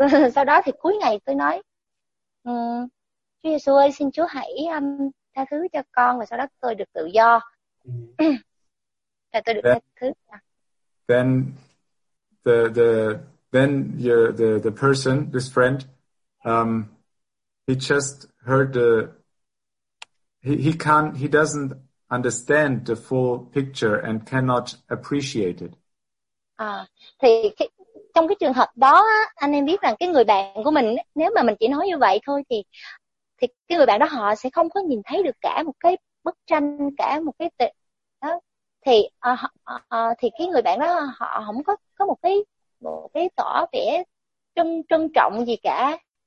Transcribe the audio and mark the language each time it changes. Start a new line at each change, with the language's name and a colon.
Vietnamese: Sau đó thì cuối ngày tôi nói, Chúa Giêsu ơi, xin Chúa hãy tha thứ cho con và sau đó tôi được tự do. Và tôi được tha thứ.
English: Then the person, this friend, he just heard the he doesn't understand the full picture and cannot appreciate it.
Vietnamese: À, thì trong cái trường hợp đó anh em biết rằng cái người bạn của mình, nếu mà mình chỉ nói như vậy thôi thì cái người bạn đó họ sẽ không có nhìn thấy được cả một cái bức tranh, cả một cái tệ đó. Thì thì cái người bạn đó họ không có một cái tỏ vẻ trân trọng gì cả.